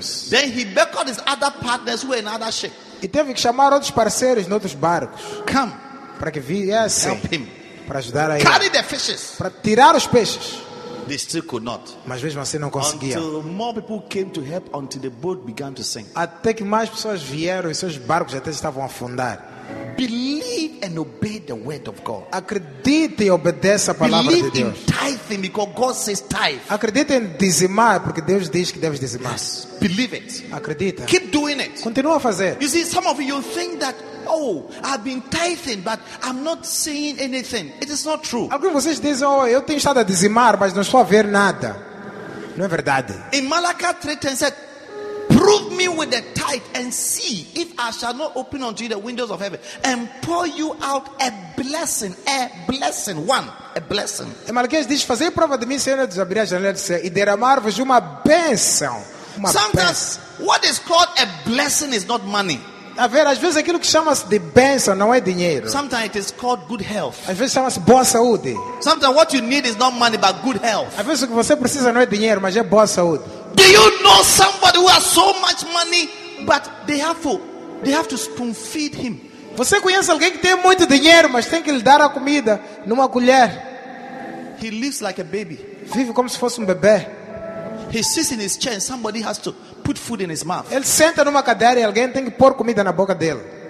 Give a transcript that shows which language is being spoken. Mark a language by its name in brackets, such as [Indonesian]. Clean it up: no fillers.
[English] then he beckoned his other partners who were in other ship, [Portuguese] e teve que chamar outros parceiros noutros barcos, [English] come, [Portuguese] para que viesse, [English] help him, [Portuguese] para ajudar a ele, [English] carry the fishes, [Portuguese] para tirar os peixes. [English] They still could not. [Portuguese] Mas mesmo assim não conseguia. [English] Until more people came to help, until the boat began to sink. [Portuguese] Até que mais pessoas vieram e seus barcos até estavam a afundar. [English] Believe and obey the word of God. [Portuguese] Acredite e obedeça a palavra [English] Believe [Portuguese] de Deus. [English] Believe in tithing because God says tithe. [Portuguese] Acredite em dizimar porque Deus diz que deves dizimar. [English] Yes. Believe it. [Portuguese] Acredita. [English] Keep doing it. [Portuguese] Continua a fazer. [English] You see, some of you think that. Oh, I've been tithing, but I'm not seeing anything. It is not true. [Portuguese] Alguns vocês dizem, oh, eu tenho estado a dizimar, mas não estou a ver nada. Não é verdade. [English] In Malachi 3:10 said, prove me with the tithe and see if I shall not open unto you the windows of heaven and pour you out a blessing. [Portuguese] Em Malaquias diz, fazei prova de mim, Senhor, de abrir a janela do céu e derramar-vos uma bênção. Uma [English] Sometimes, what is called a blessing is not money. [Portuguese] A ver, às vezes aquilo que chama-se de bênção não é dinheiro. [English] Sometimes it is called good health. [Portuguese] Às vezes chama-se boa saúde. [English] Sometimes what you need is not money but good health. [Portuguese] Às vezes o que você precisa não é dinheiro, mas é boa saúde. [English] Do you know somebody who has so much money but they have to spoon feed him? [Portuguese] Você conhece alguém que tem muito dinheiro, mas tem que lhe dar a comida numa colher? [English] He lives like a baby. [Portuguese] Vive como se fosse bebê. [English] He sits in his chair and somebody has to put food in his mouth. [Portuguese] Ele senta numa cadeira e alguém tem que pôr comida na boca dele.